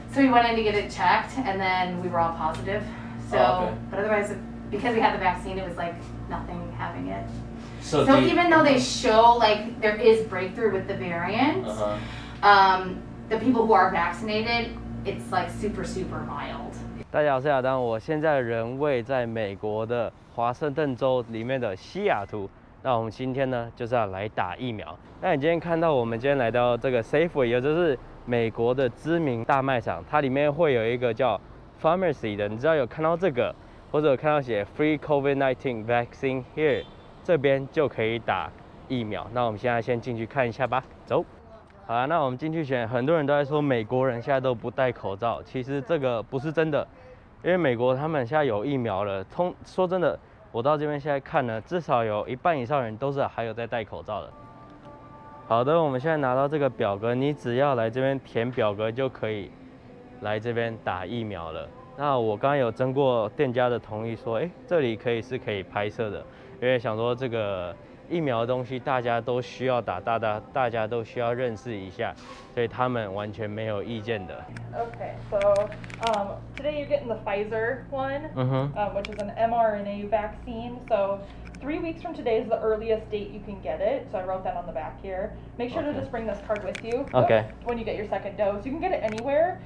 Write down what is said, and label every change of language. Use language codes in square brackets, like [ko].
[en] So we went in to get it checked and then we were all positive. So, oh, okay. but otherwise, because we had the vaccine, it was like nothing having it. So even though they show like there is breakthrough with the variants, uh-huh. The people who are vaccinated, it's like super, super mild. [zh] 大家好，我是亚当，我现在人位在美国的华盛顿州里面的西雅图。那我们今天呢，就是要来打疫苗。那你今天看到我们今天来到这个 Safeway， 也就是美国的知名大卖场，它里面会有一个叫 Pharmacy 的，你知道有看到这个，或者有看到写 [en] Free COVID-19 Vaccine Here。 [zh] 这边就可以打疫苗，那我们现在先进去看一下吧，走。好啦，那我们进去选，很多人都在说美国人现在都不戴口罩，其实这个不是真的，因为美国他们现在有疫苗了，说真的，我到这边现在看呢，至少有一半以上人都是还有在戴口罩的。好的，我们现在拿到这个表格，你只要来这边填表格就可以来这边打疫苗了。那我刚刚有征过店家的同意说，哎，这里可以是可以拍摄的。因为想说这个疫苗的东西大家都需要打，大家都需要认识一下，所以他们完全没有意见的。 [en] Okay, so today you're getting the Pfizer one,、 uh-huh. Which is an mRNA vaccine. So 3 weeks from today is the earliest date you can get it. So I wrote that on the back here. Make sure、okay. to just bring this card with you. Okay. When you get your second dose, you can get it anywhere.